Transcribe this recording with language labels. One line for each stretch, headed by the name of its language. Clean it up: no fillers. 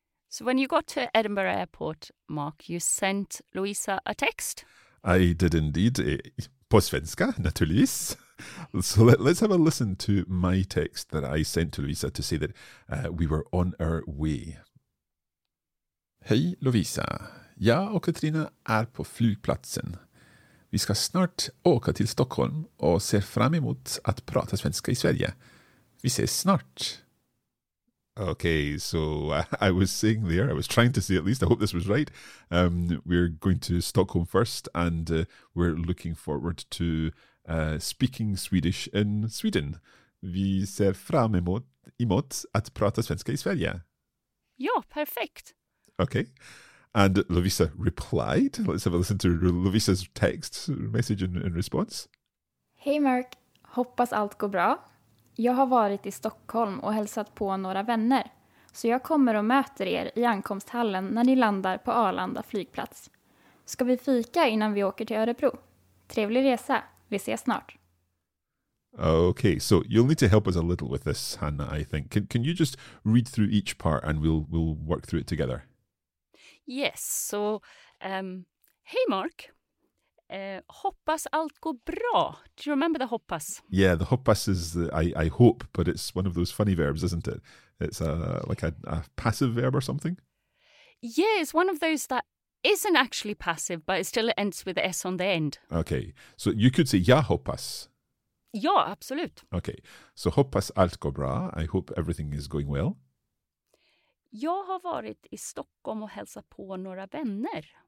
English: So when you got to Edinburgh Airport, Mark, you sent Lovisa a text? I did indeed.
Swedish: På svenska, naturligtvis.
English: So let's have a listen to my text that I sent to Lovisa to say that we were on our way.
Swedish: Hej Lovisa, jag och Katrina är på flygplatsen. Vi ska snart åka till Stockholm och ser fram emot att prata svenska i Sverige. Vi ses snart.
English: Okay, so I was saying there, I was trying to say at least, I hope this was right. We're going to Stockholm first and we're looking forward to speaking Swedish in Sweden.
Swedish: Vi ser fram emot att prata svenska i Sverige. Ja, perfekt.
English: Okay, and Lovisa replied. Let's have a listen to Lovisa's text message in response.
Swedish: Hej Mark, hoppas allt går bra. Jag har varit i Stockholm och hälsat på några vänner. Så jag kommer och möter er i ankomsthallen när ni landar på Arlanda flygplats. Ska vi fika innan vi åker till Örebro? Trevlig resa. Vi ses snart.
English: Okay, so you'll need to help us a little with this, Hannah, I think. Can you just read through each part and we'll work through it together? Yes, so, hey
Swedish: Mark, hoppas allt går bra.
English: Do you remember the hoppas? Yeah, the hoppas is I hope, but it's one of those funny verbs, isn't it? It's like a passive verb or something? Yeah, it's one of those that isn't actually passive, but it still ends with S on the end. Okay, so you could say
Swedish: ja hoppas. Ja, absolut.
English: Okay, so
Swedish: hoppas allt går bra.
English: I hope everything is going well.
Swedish: Jag har varit I Stockholm och hälsat på några vänner.